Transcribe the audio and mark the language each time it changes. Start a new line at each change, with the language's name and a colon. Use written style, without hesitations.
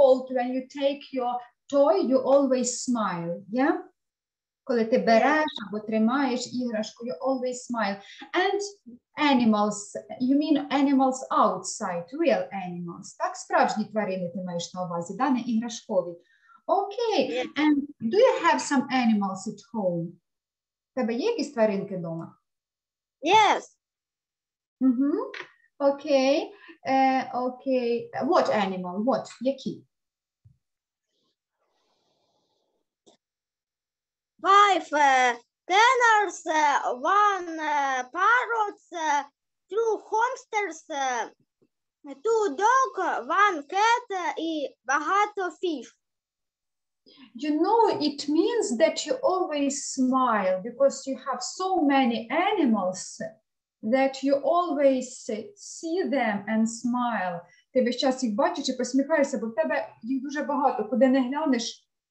English: When you take your toy, you always smile. Yeah?
Ukrainian: Коли ти береш або тримаєш іграшку,
English: you always smile. And animals, you mean animals outside, real animals.
Ukrainian: Так, справжні тварини ти маєш на увазі, да, не іграшкові.
English: Окей, okay. And do you have some animals at home?
Ukrainian: Тебе є якісь тваринки вдома?
English: Yes. Mm-hmm. Okay. Okay. What animal? What?
Ukrainian: Які?
English: Five canaries, one parrot, two hamsters, two dog, one cat,
Ukrainian: і багато
English: fish. You know, it means that you always smile because you have so many animals that you always see them and smile.
Ukrainian: Ти весь час їх бачиш і посміхаєшся, бо в тебе їх дуже багато, куди не глянеш.